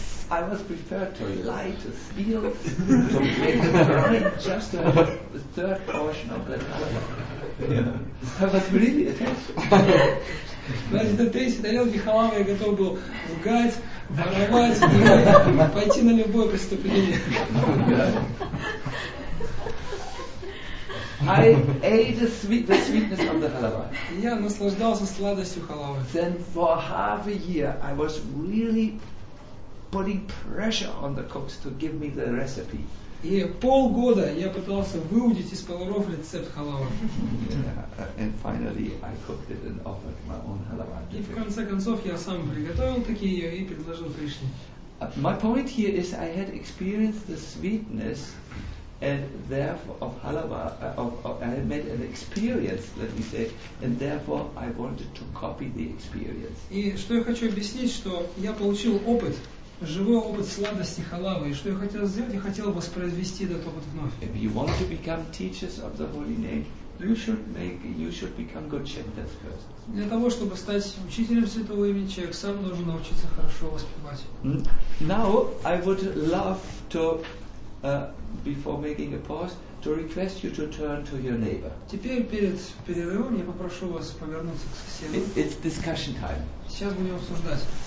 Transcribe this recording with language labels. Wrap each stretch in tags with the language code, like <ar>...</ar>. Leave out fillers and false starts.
<en>I was prepared to lie, to steal, to make a crime just to have the third portion of that halava. Yeah. I was really attached.</en> <ru>Значит, до третьей тарелки халавы я готов был лгать, воровать и пойти на любое преступление.</ru> <en>I ate the sweetness of the halava.</en> <ru>Я наслаждался сладостью халавы.</ru> <en>Then for half a year I was really putting pressure on the cooks to give me the recipe.</en> <ru>И полгода я пытался выудить из поваров рецепт халавы.</ru> <en>And finally I cooked it and offered my own halava.</en> <ru>И в конце концов я сам приготовил такие ее и предложил Кришне.</ru> <en>My point here is I had experienced the sweetness and therefore of Halava, I had made an experience, let me say, and therefore I wanted to copy the experience.</en> <ru>И что я хочу объяснить, что я получил опыт, живой опыт сладости халавы, и что я хотел сделать, я хотел воспроизвести этот опыт вновь.</ru> <en>If you want to become teachers of the holy name, you should become good shepherds first.</en> <ru>Для того, чтобы стать учителем святого имени, человек сам должен научиться хорошо воспевать.</ru> <en>Now I would love to, before making a pause, to request you to turn to your neighbor.</en> <ru>Теперь перед перерывом я попрошу вас повернуться к соседу.</ru> <en>It's discussion time.</en> <ru>Сейчас будем обсуждать.</ru>